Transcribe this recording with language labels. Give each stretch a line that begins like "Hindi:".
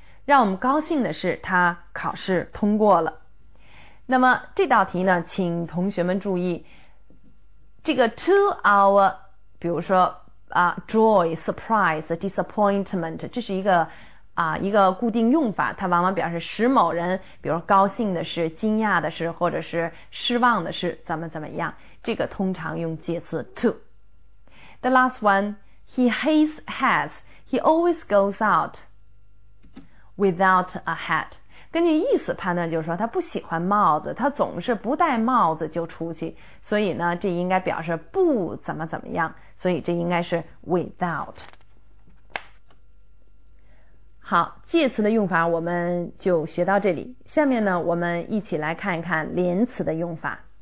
Chinese: 让我们高兴的是，他考试通过了。那么这道题呢，请同学们注意，这个 to our，比如说joy、surprise、disappointment，这是一个固定用法，它往往表示使某人，比如高兴的是、惊讶的是，或者是失望的是，怎么怎么样，这个通常用介词 to。
English: The last one。 He hates hats. He always goes out without a hat.
Chinese: 根据意思判断，就是说他不喜欢帽子，他总是不戴帽子就出去。所以呢，这应该表示不怎么怎么样。所以这应该是 without。好，介词的用法我们就学到这里。下面呢，我们一起来看一看连词的用法。